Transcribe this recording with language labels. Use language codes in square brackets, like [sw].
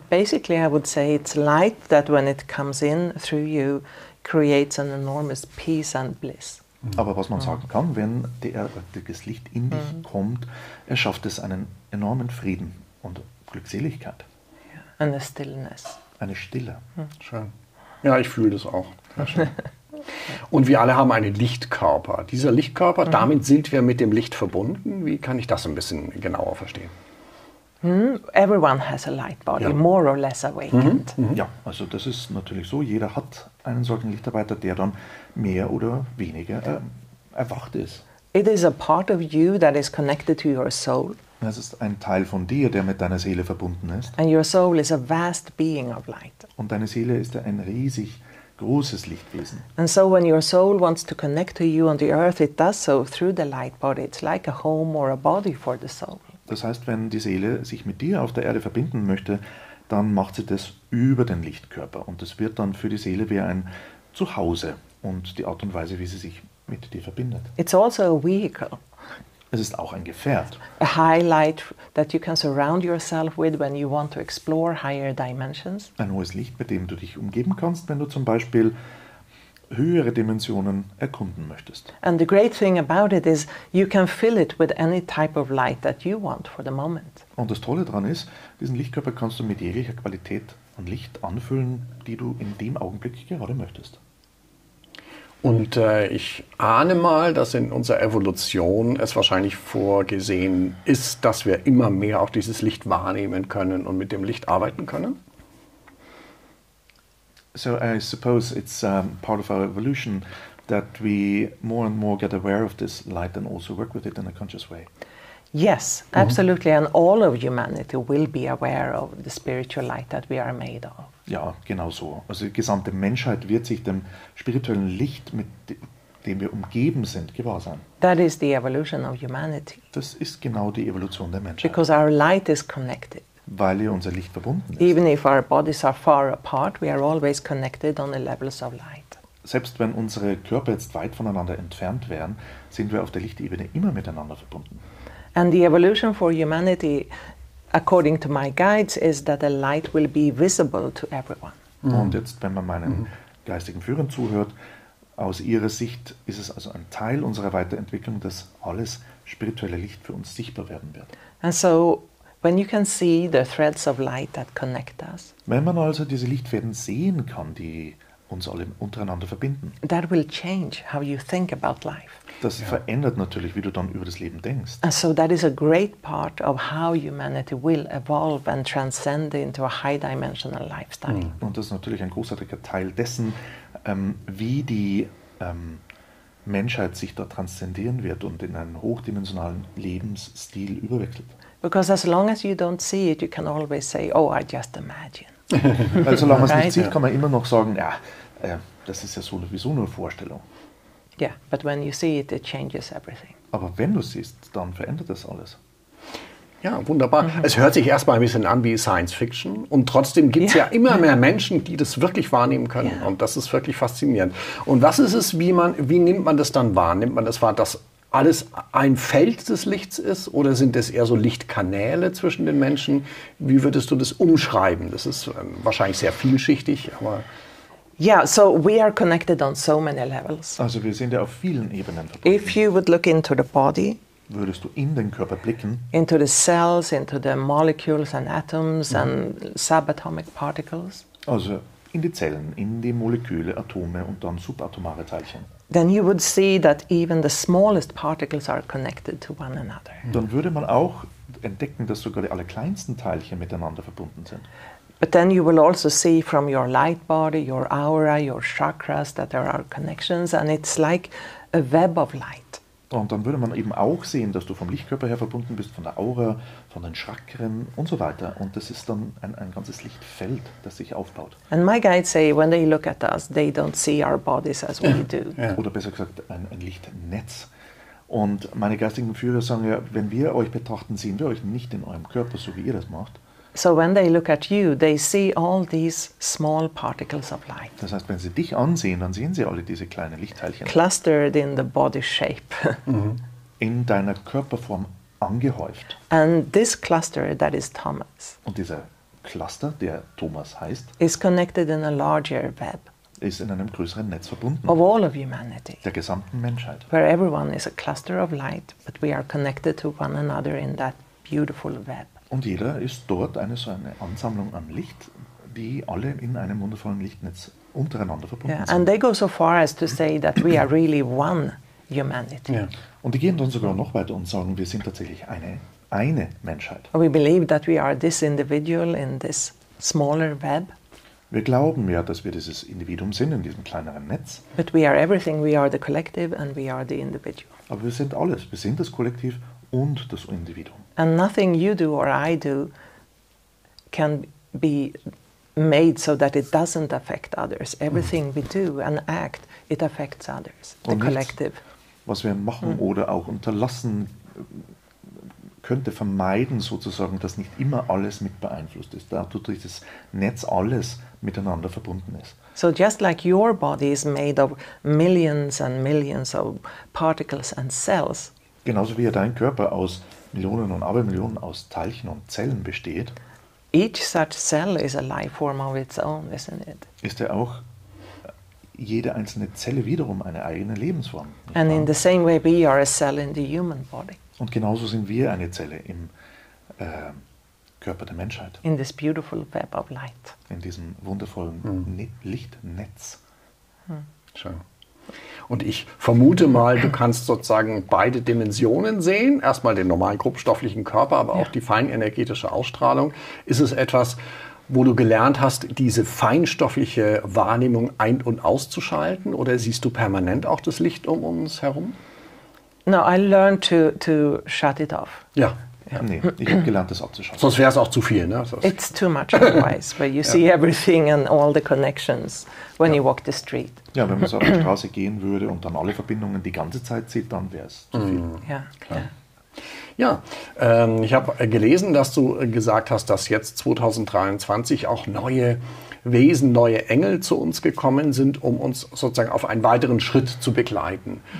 [en] But basically I would say it's light that when it comes in through you creates an enormous peace and bliss. [de] Aber was man sagen kann, wenn das Licht in dich kommt, erschafft es einen enormen Frieden und Glückseligkeit. [en] Yeah. And a stillness. [de] Eine Stille. Schön. Ja, ich fühle das auch. Ja, schön. Und wir alle haben einen Lichtkörper. Dieser Lichtkörper, damit sind wir mit dem Licht verbunden. Wie kann ich das ein bisschen genauer verstehen? [en] Everyone has a light body, more or less awakened. [de] Ja, also das ist natürlich so. Jeder hat einen solchen Lichtarbeiter, der dann mehr oder weniger erwacht ist. [en] It is a part of you that is connected to your soul. [de] Es ist ein Teil von dir, der mit deiner Seele verbunden ist. [en] And your soul is a vast being of light. [de] Und deine Seele ist ein riesig großes Lichtwesen. [en] And so when your soul wants to connect to you on the earth, it does so through the light body. It's like a home or a body for the soul. [de] Das heißt, wenn die Seele sich mit dir auf der Erde verbinden möchte, dann macht sie das über den Lichtkörper. Und das wird dann für die Seele wie ein Zuhause und die Art und Weise, wie sie sich mit dir verbindet. [en] It's also a vehicle. [de] Es ist auch ein Gefährt. [en] A highlight that you can surround yourself with when you want to explore higher dimensions. [de] Ein hohes Licht, mit dem du dich umgeben kannst, wenn du zum Beispiel höhere Dimensionen erkunden möchtest. [en] And the great thing about it is you can fill it with any type of light that you want for the moment. [de] Und das Tolle daran ist, diesen Lichtkörper kannst du mit jeglicher Qualität an Licht anfüllen, die du in dem Augenblick gerade möchtest. Und ich ahne mal, dass in unserer Evolution es wahrscheinlich vorgesehen ist, dass wir immer mehr auch dieses Licht wahrnehmen können und mit dem Licht arbeiten können. [en] So I suppose it's part of our evolution that we more and more get aware of this light and also work with it in a conscious way. Yes, absolutely. Mm-hmm. And all of humanity will be aware of the spiritual light that we are made of. [de] Ja, genau so. Also die gesamte Menschheit wird sich dem spirituellen Licht, mit dem wir umgeben sind, gewahr sein. [en] That is the evolution of humanity. [de] Das ist genau die Evolution der Menschheit. [en] Because our light is connected. [de] Weil ja unser Licht verbunden ist. [en] Even if our bodies are far apart, we are always connected on the levels of light. [de] Selbst wenn unsere Körper jetzt weit voneinander entfernt wären, sind wir auf der Lichtebene immer miteinander verbunden. [en] And the evolution for humanity, according to my guides, is that the light will be visible to everyone. [de] Und jetzt, wenn man meinen geistigen Führern zuhört, aus ihrer Sicht ist es also ein Teil unserer Weiterentwicklung, dass alles spirituelle Licht für uns sichtbar werden wird. [en] And so, when you can see the threads of light that connect us, [de] wenn man also diese Lichtfäden sehen kann, die uns alle untereinander verbinden, [en] that will change how you think about life. [de] Das verändert natürlich, wie du dann über das Leben denkst. [en] And so that is a great part of how humanity will evolve and transcend into a high-dimensional lifestyle. [de] Und das ist natürlich ein großartiger Teil dessen, wie die Menschheit sich da transzendieren wird und in einen hochdimensionalen Lebensstil überwechselt. [en] Because as long as you don't see it, you can always say, oh, I just imagine. [de] Weil solange man es nicht sieht, kann man immer noch sagen, ja, das ist ja sowieso nur eine Vorstellung. [en] Yeah, but when you see it, it changes everything. [de] Aber wenn du siehst, dann verändert das alles. Ja, wunderbar. Mm-hmm. Es hört sich erstmal ein bisschen an wie Science Fiction. Und trotzdem gibt es ja immer mehr Menschen, die das wirklich wahrnehmen können. Yeah. Und das ist wirklich faszinierend. Und was ist es, wie nimmt man das dann wahr? Nimmt man das wahr, dass alles ein Feld des Lichts ist? Oder sind das eher so Lichtkanäle zwischen den Menschen? Wie würdest du das umschreiben? Das ist wahrscheinlich sehr vielschichtig, aber... [en] Yeah, so we are connected on so many levels. [de] Also wir sind ja auf vielen Ebenen verbunden. [en] If you would look into the body, [de] würdest du in den Körper blicken, [en] into the cells, into the molecules and atoms and subatomic particles. [de] Also in die Zellen, in die Moleküle, Atome und dann subatomare Teilchen. [en] Then you would see that even the smallest particles are connected to one another. [de] Dann würde man auch entdecken, dass sogar die allerkleinsten Teilchen miteinander verbunden sind. [en] But then you will also see from your light body, your aura, your chakras, that there are connections and it's like a web of light. [de] Und dann würde man eben auch sehen, dass du vom Lichtkörper her verbunden bist, von der Aura, von den Chakren und so weiter. Und das ist dann ein ganzes Lichtfeld, das sich aufbaut. [en] And my guides say, when they look at us, they don't see our bodies as we do. [de] Oder besser gesagt, ein Lichtnetz. Und meine geistigen Führer sagen ja, wenn wir euch betrachten, sehen wir euch nicht in eurem Körper, so wie ihr das macht. [en] So when they look at you, they see all these small particles of light. [de] Das heißt, wenn sie dich ansehen, dann sehen sie alle diese kleinen Lichtteilchen. [en] Clustered in the body shape. [de] In deiner Körperform angehäuft. [en] And this cluster, that is Thomas. [de] Und dieser Cluster, der Thomas heißt, [en] is connected in a larger web. [de] Ist in einem größeren Netz verbunden. [en] Of all of humanity. [de] Der gesamten Menschheit. [en] Where everyone is a cluster of light, but we are connected to one another in that beautiful web. [de] Und jeder ist dort eine Ansammlung an Licht, die alle in einem wundervollen Lichtnetz untereinander verbunden sind. [en] And they go so far as to say that we are really one humanity. [de] Ja. Und die gehen dann sogar noch weiter und sagen, wir sind tatsächlich eine Menschheit. [en] We believe that we are this individual in this smaller web. [de] Wir glauben ja, dass wir dieses Individuum sind in diesem kleineren Netz. [en] But we are everything. We are the collective and we are the individual. [de] Aber wir sind alles. Wir sind das Kollektiv und das Individuum. [en] And nothing you do or I do can be made so that it doesn't affect others. Everything we do and act, it affects others, the collective. [de] Was wir machen oder auch unterlassen, könnte vermeiden sozusagen, dass nicht immer alles mit beeinflusst ist, dadurch das Netz alles miteinander verbunden ist. [en] So just like your body is made of millions and millions of particles and cells. [de] Genauso wie ja dein Körper aus Millionen und Abermillionen aus Teilchen und Zellen besteht. [en] Each such cell is a life form of its own, isn't it? [de] Ist ja auch jede einzelne Zelle wiederum eine eigene Lebensform. [en] And in the same way we are a cell in the human body. [de] Und genauso sind wir eine Zelle im Körper der Menschheit. [en] In this beautiful web of light. [de] In diesem wundervollen Lichtnetz. Schön. Und ich vermute mal, du kannst sozusagen beide Dimensionen sehen. Erstmal den normalen grobstofflichen Körper, aber auch die feinenergetische Ausstrahlung. Ist es etwas, wo du gelernt hast, diese feinstoffliche Wahrnehmung ein- und auszuschalten? Oder siehst du permanent auch das Licht um uns herum? [en] No, I learned to shut it off. [de] Ja. Nee, ich habe gelernt, das abzuschalten. Sonst wäre es auch zu viel, ne? [en] It's too much otherwise, where you see everything and all the connections when you walk the street. [de] Ja, wenn man so auf die Straße gehen würde und dann alle Verbindungen die ganze Zeit sieht, dann wäre es zu viel. Ja, klar. Ja, ich habe gelesen, dass du gesagt hast, dass jetzt 2023 auch neue Wesen, neue Engel zu uns gekommen sind, um uns sozusagen auf einen weiteren Schritt zu begleiten.